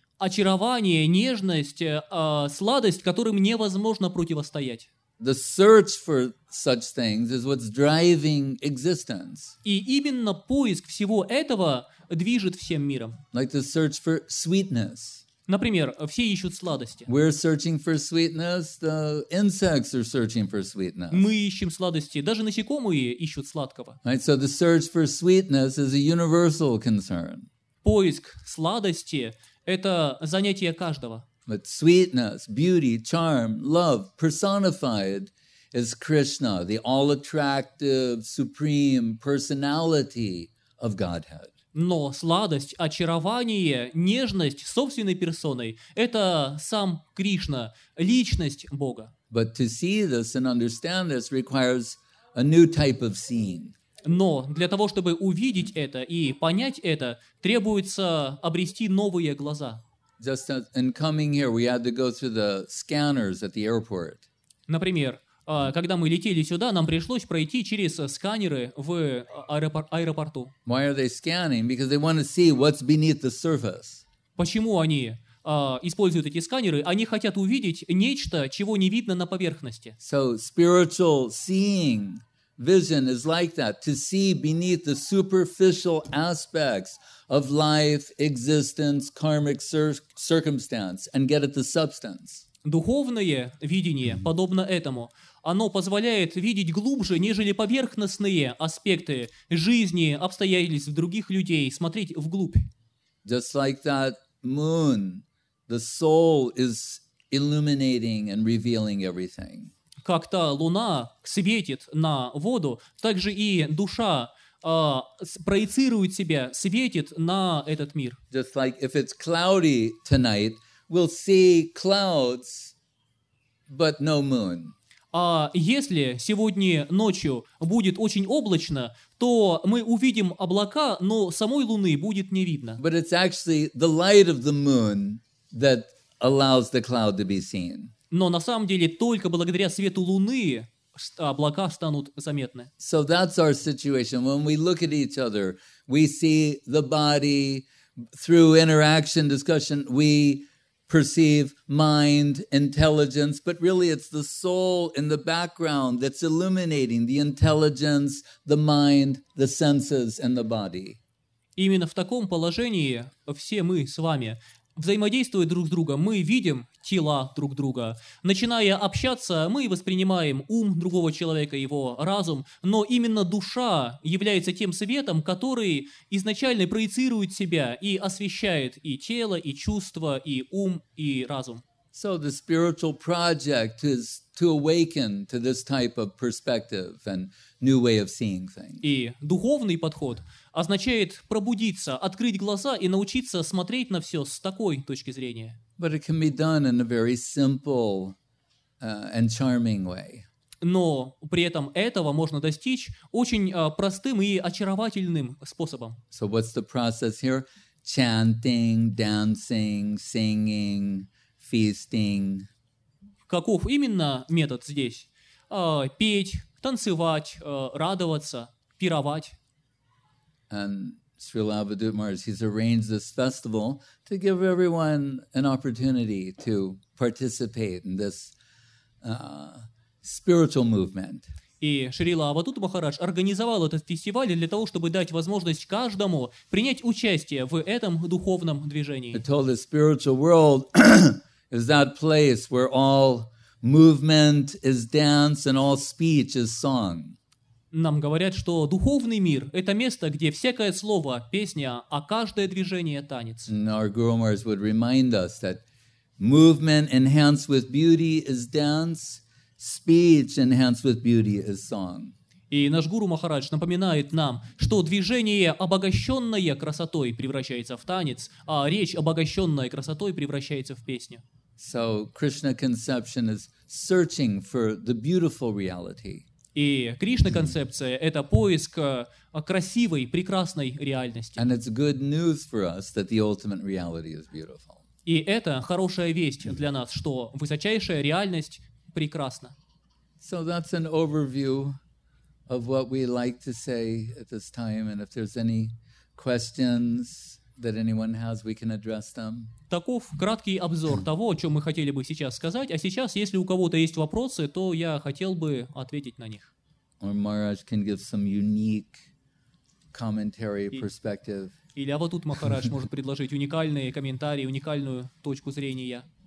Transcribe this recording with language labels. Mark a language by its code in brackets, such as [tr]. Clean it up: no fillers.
[ru] Очарование, нежность, сладость, которым невозможно противостоять. [en] The search for such things is what's driving existence. [ru] И именно поиск всего этого движет всем миром. [en] Like the search for sweetness. [ru] Например, все ищут сладости. [en] We're searching for sweetness, the insects are searching for sweetness. [ru] Мы ищем сладости, даже насекомые ищут сладкого. [en] Right, so the search for sweetness is a universal concern. [ru] Поиск сладости – это занятие каждого. [en] But sweetness, beauty, charm, love personified is Krishna, the all-attractive, supreme personality of Godhead. [ru] Но сладость, очарование, нежность собственной персоной – это сам Кришна, личность Бога. [en] But to see this and understand this requires a new type of seeing. [ru] Но для того, чтобы увидеть это и понять это, требуется обрести новые глаза. [en] Just as in coming here, we had to go through the scanners at the airport. [ru] Например, когда мы летели сюда, нам пришлось пройти через сканеры в аэропорту. [en] Why are they scanning? Because they want to see what's beneath the surface. [ru] Почему они используют эти сканеры? Они хотят увидеть нечто, чего не видно на поверхности. [en] So spiritual seeing, vision is like that, to see beneath the superficial aspects of life, existence, karmic circumstance, and get at the substance. [ru] Духовное видение подобно этому. Оно позволяет видеть глубже, нежели поверхностные аспекты жизни, обстоятельств других людей, смотреть вглубь. [en] Just like that moon, the soul is illuminating and revealing everything. [ru] Как та луна светит на воду, так же и душа проецирует себя, светит на этот мир. [en] Just like if it's cloudy tonight, we'll see clouds, but no moon. [ru] А если сегодня ночью будет очень облачно, то мы увидим облака, но самой луны будет не видно. [en] But it's actually the light of the moon that allows the cloud to be seen. [ru] Но на самом деле только благодаря свету луны облака станут заметны. [en] So that's our situation. When we look at each other, we see the body through interaction, discussion, we perceive mind, intelligence, but really it's the soul in the background that's illuminating the intelligence, the mind, the senses, and the body. [ru] Именно в таком положении все мы с вами, взаимодействуя друг с другом, мы видим тела друг друга. Начиная общаться, мы воспринимаем ум другого человека, его разум, но именно душа является тем светом, который изначально проецирует себя и освещает и тело, и чувства, и ум, и разум. [en] So the spiritual project is to awaken to this type of perspective and new way of seeing things. [ru] И духовный подход означает пробудиться, открыть глаза и научиться смотреть на все с такой точки зрения. [en] But it can be done in a very simple, and charming way. [ru] Но при этом этого можно достичь очень простым и очаровательным способом. [en] So what's the process here? Chanting, dancing, singing, feasting. [ru] Каков именно метод здесь? Петь, танцевать, радоваться, пировать. [en] And Sri Lavadutmars, he's arranged this festival to give everyone an opportunity to participate in this spiritual movement. [ru] И Шрила Аватут Махарадж организовал этот фестиваль для того, чтобы дать возможность каждому принять участие в этом духовном движении. [en] He told the spiritual world is that place where all movement is dance and all speech is song. [ru] Нам говорят, что духовный мир — это место, где всякое слово — песня, а каждое движение — танец. [en] And our Guru Maharaj would remind us that movement enhanced with beauty is dance, speech enhanced with beauty is song. [ru] И наш Гуру Махарадж напоминает нам, что движение, обогащенное красотой, превращается в танец, а речь, обогащенная красотой, превращается в песню. [en] So Krishna conception is searching for the beautiful reality. [ru] И Кришна-концепция — это поиск красивой, прекрасной реальности. [en] And it's good news for us that the ultimate reality is beautiful. [ru] И это хорошая весть для нас, что высочайшая реальность прекрасна. [en] So that's an overview of what we like to say at this time. And if there's any questions that anyone has, we can address them. [ru] Таков краткий обзор того, о чем мы хотели бы сейчас сказать. А сейчас, если у кого-то есть вопросы, то я хотел бы ответить на них. [en] Or Maharaj can give some unique commentary perspective. [ru] Или Аватут Махарадж может предложить уникальные комментарии, уникальную точку зрения.